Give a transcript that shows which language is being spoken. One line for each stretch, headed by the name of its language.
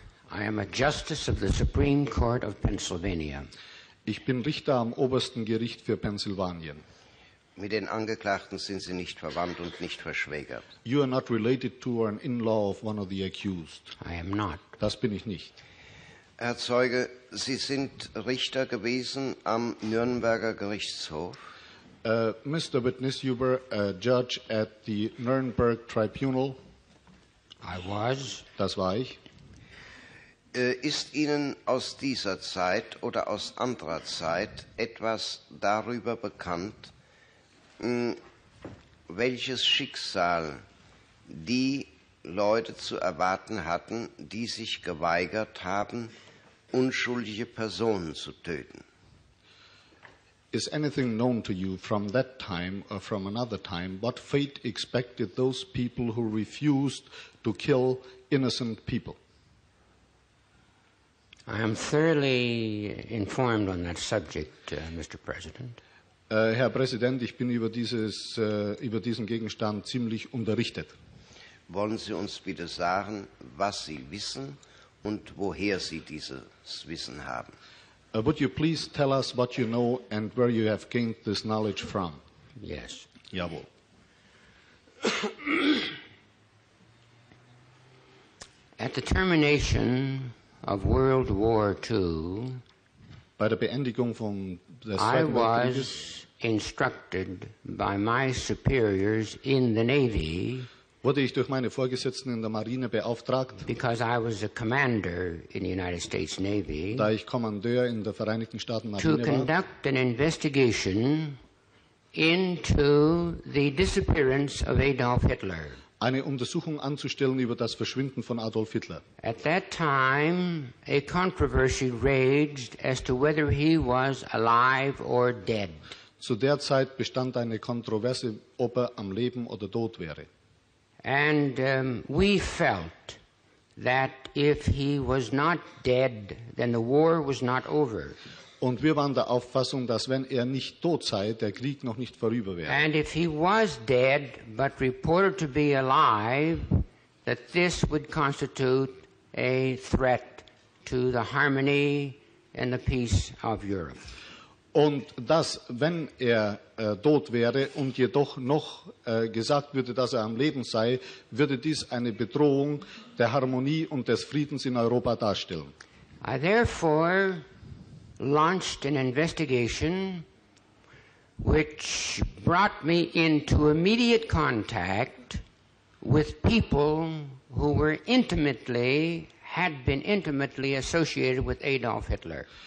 English: I am a justice of the Supreme Court of Pennsylvania.
German: Ich bin Richter am obersten Gericht für Pennsylvanien. Mit den Angeklagten sind Sie nicht verwandt und nicht verschwägert.
English: You are not related to or an in-law of one of the accused. I am not.
German: Das bin ich nicht. Herr Zeuge, Sie sind Richter gewesen am Nürnberger Gerichtshof.
English: Mr. Witness, you were a judge at the Nuremberg Tribunal. I was.
German: Das war ich. Ist Ihnen aus dieser Zeit oder aus anderer Zeit etwas darüber bekannt, welches Schicksal die Leute zu erwarten hatten, die sich geweigert haben, unschuldige Personen zu töten?
English: Is anything known to you from that time or from another time, what fate expected those people who refused to kill innocent people? I am thoroughly informed on that subject, Mr. President.
German: Herr Präsident, ich bin über diesen Gegenstand ziemlich unterrichtet. Wollen Sie uns bitte sagen, was Sie wissen und woher Sie dieses Wissen haben?
English: Would you please tell us what you know and where you have gained this knowledge from? Yes.
German: Jawohl.
English: At the termination of World War II.
German: Bei der Beendigung von der Zweiten Weltkrieg.
English: I was instructed by my superiors in the Navy.
German: Wurde ich durch meine Vorgesetzten in der Marine beauftragt?
English: Because I was a commander in the United States Navy.
German: Da ich Kommandeur in der Vereinigten Staaten Marine war.
English: To conduct an investigation into the disappearance of Adolf Hitler.
German: Eine Untersuchung anzustellen über das Verschwinden von Adolf Hitler.
English: At that time, a controversy raged as to whether he was alive or dead.
German: Zu der Zeit bestand eine Kontroverse, ob er am Leben oder tot wäre.
English: And we felt that if he was not dead, then the war was not over.
German: Und wir waren der Auffassung, dass wenn er nicht tot sei, der Krieg noch nicht vorüber wäre.
English: And if he was dead, but reported to be alive, that this would constitute a threat to the harmony and the peace of Europe.
German: Und dass, wenn er tot wäre und jedoch noch gesagt würde, dass er am Leben sei, würde dies eine Bedrohung der Harmonie und des Friedens in Europa darstellen.
English: I therefore launched an investigation which brought me into immediate contact with people who were intimately, had been intimately associated with Adolf Hitler.